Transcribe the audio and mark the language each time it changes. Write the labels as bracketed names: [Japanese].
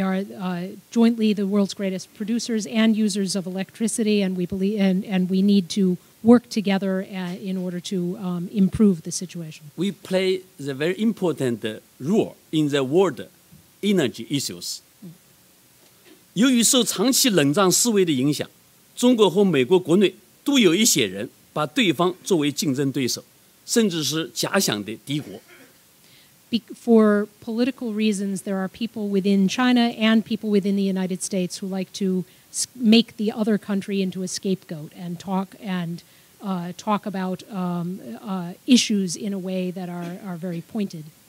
[English] are jointly the world's greatest producers and users of electricity, and we believe and we need to work together in order to improve the situation. We play the very important role in the world energy issues. [Chinese] 由于受长期冷战思维的影响，中国和美国国内都有一些人把对方作为竞争对手，甚至是假想的敌国。 [English] For political reasons, there are people within China and people within the United States who like to make the other country into a scapegoat and talk about issues in a way that are very pointed.